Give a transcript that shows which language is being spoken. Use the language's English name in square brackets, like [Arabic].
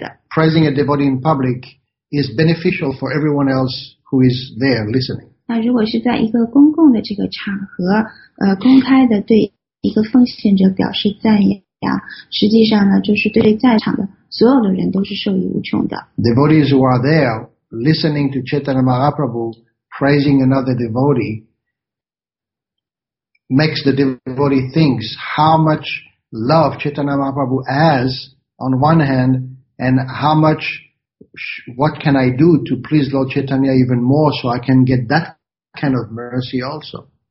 [English] Praising a devotee in public is beneficial for everyone else who is there listening. [Chinese] 那如果是在一个公共的这个场合，公开的对一个奉献者表示赞扬，实际上呢，就是对在场的所有的人都是受益无穷的。 [English] Devotees who are there listening to Chaitanya Mahaprabhu praising another devotee makes the devotee thinks how much love Chaitanya Mahaprabhu has on one hand, and how much what can I do to please Lord Chaitanya even more so I can get that kind of mercy also.